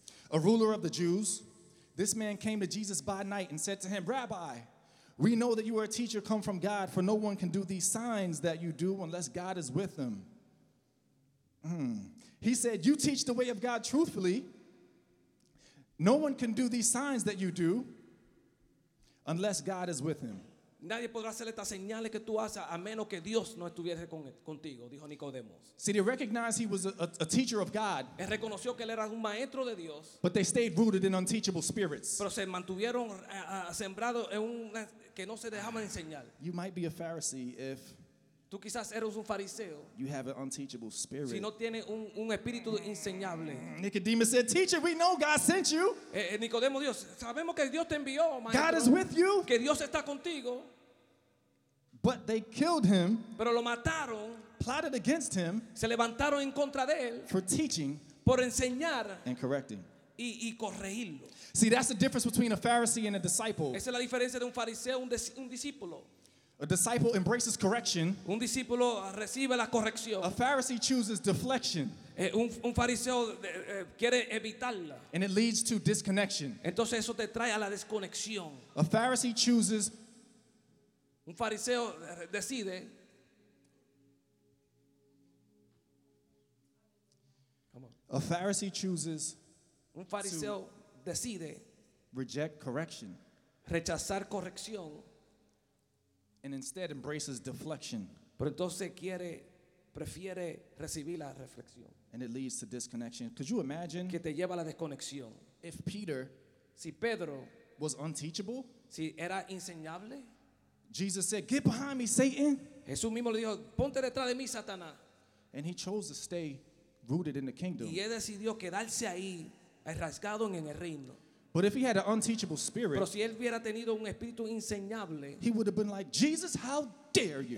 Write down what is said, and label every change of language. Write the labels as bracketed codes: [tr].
[en] a ruler of the Jews. This man came to Jesus by night and said to him, Rabbi, we know that you are a teacher come from God, for no one can do these signs that you do unless God is with them. He said, you teach the way of God truthfully. No one can do these signs that you do unless God is with him. [es] Nadie podrá hacer estas señales que tú haces a menos que Dios no estuviese contigo, dijo Nicodemus. [en] See, they recognized he was a teacher of God. [es] Él reconoció que él era un maestro de Dios. [en] But they stayed rooted in unteachable spirits. [es] Pero se mantuvieron sembrados en una que no se dejaban enseñar. [en] You might be a Pharisee if [es] tú quizás eres un fariseo. [en] You have an unteachable spirit. [es] Si no tiene un espíritu enseñable. [en] Nicodemus said, "Teacher, we know God sent you." [es] Nicodemo Dios, sabemos que Dios te envió, maestro. [en] God is with you. [es] Que Dios está contigo. [en] But they killed him. [es] Pero lo mataron. [en] Plotted against him. [es] Se levantaron en contra de él. [en] For teaching. [es] Por enseñar. [en] And correcting. [es] Y corregirlo. [en] See, that's the difference between a Pharisee and a disciple. [es] Esa es la diferencia de un fariseo un discípulo. [en] A disciple embraces correction. [es] Un discípulo recibe la corrección. [en] A Pharisee chooses deflection. [es] Un fariseo quiere evitarla. [en] And it leads to disconnection. [es] Entonces eso te trae a la desconexión. [en] A Pharisee chooses. [es] Un fariseo decide. [en] Come on. A Pharisee chooses. [es] Un fariseo decide. [en] Reject correction. [es] Rechazar corrección. [en] And instead embraces deflection. [es] Pero entonces quiere, prefiere recibir la reflexión. [en] And it leads to disconnection. Could you imagine? [es] Que te lleva a la desconexión. [en] If Peter, [es] si Pedro, [en] was unteachable, [es] si era enseñable, [en] Jesus said, "Get behind me, Satan." [es] Jesús mismo le dijo, "Ponte detrás de mí, Satanás." [en] And he chose to stay rooted in the kingdom. [es] Y él decidió quedarse ahí, arraigado en el reino. [en] But if he had an unteachable spirit, [es] pero si él hubiera tenido un espíritu enseñable, [en] he would have been like, Jesus, how dare you?